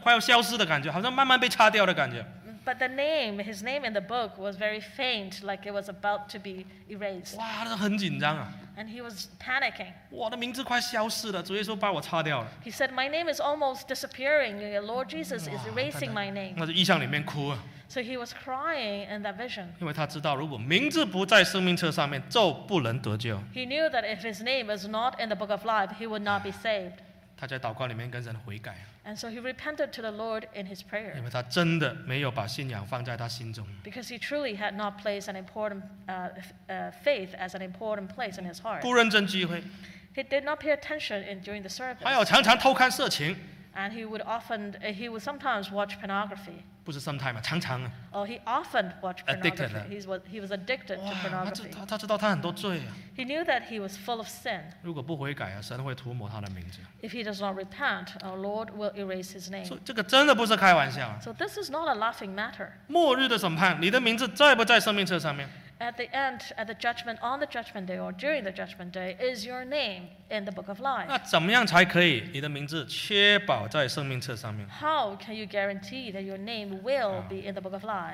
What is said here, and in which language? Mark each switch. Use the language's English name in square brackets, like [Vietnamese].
[Chinese] 但是他开始看到他的名字的时候，那个名字越来越微弱，越来越薄，好像快要消失的感觉，好像慢慢被擦掉的感觉。 [English] But the name, his name in the book was very faint, like it was about to be erased. [Chinese] 哇，他很紧张啊。 [English] And he was panicking. [Chinese] 我的名字快消失了，主耶稣把我擦掉了。 [English] He said, my name is almost disappearing. Lord Jesus is erasing my name. [Chinese] 他在异象里面哭啊。 [English] So he was crying in that vision. [Chinese] 因为他知道，如果名字不在生命册上面，就不能得救。 [English] He knew that if his name is not in the book of life, he would not be saved. [Chinese] 他在祷告里面跟神悔改。 [English] And so he repented to the Lord in his prayer. [Chinese] 因为他真的没有把信仰放在他心中。 [English] Because he truly had not placed an important faith as an important place in his heart. [Chinese] 不认真聚会。 [English] He did not pay attention during the service. [Chinese] 还有常常偷看色情。 [English] And he would sometimes watch pornography. [Chinese] 不是 [English] sometimes, [Chinese] 常常。 [English] Oh, he often watched pornography. He was addicted to pornography. [Chinese] 他知道他很多罪啊。 [English] He knew that he was full of sin. [Chinese] 如果不悔改啊, 神会涂抹他的名字。 [English] If he does not repent, our Lord will erase his name. [Chinese] 这个真的不是开玩笑。 [English] So this is not a laughing matter. [Chinese] 末日的审判, 你的名字在不在生命册上面? [English] At the end, at the judgment, on the judgment day, or during the judgment day, is your name in the book of life? [Chinese] 那怎么样才可以你的名字确保在生命册上面? [English] How can you guarantee that your name will be in the book of life?